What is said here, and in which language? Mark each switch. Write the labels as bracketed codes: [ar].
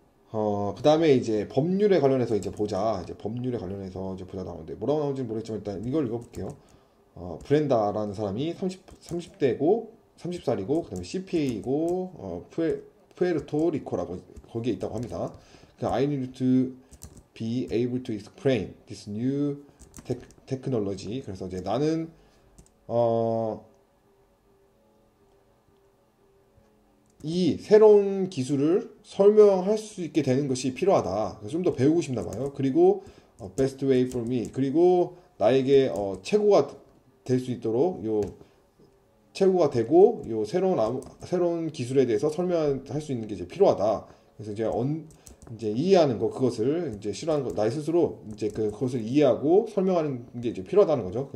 [ko] 그 다음에 이제 법률에 관련해서 이제 보자. 이제 법률에 관련해서 이제 보자 나오는데 뭐라고 나오는지 모르겠지만 일단 이걸 읽어볼게요. 브렌다라는 사람이 30대고 30살이고 그 다음에 CPA이고 푸에르토리코라고 거기에 있다고 합니다. [en] 그 I need to be able to explain this new technology. [ko] 그래서 이제 나는 이 새로운 기술을 설명할 수 있게 되는 것이 필요하다. 좀더 배우고 싶나 봐요. 그리고 [en] best way for me. [ko] 그리고 나에게 최고가 될수 있도록 최고가 되고 요 새로운 기술에 대해서 설명할 수 있는 게 이제 필요하다. 그래서 이제 이해하는 거 그것을 이제 싫어하는 거 나의 스스로 이제 그것을 이해하고 설명하는 게 이제 필요하다는 거죠.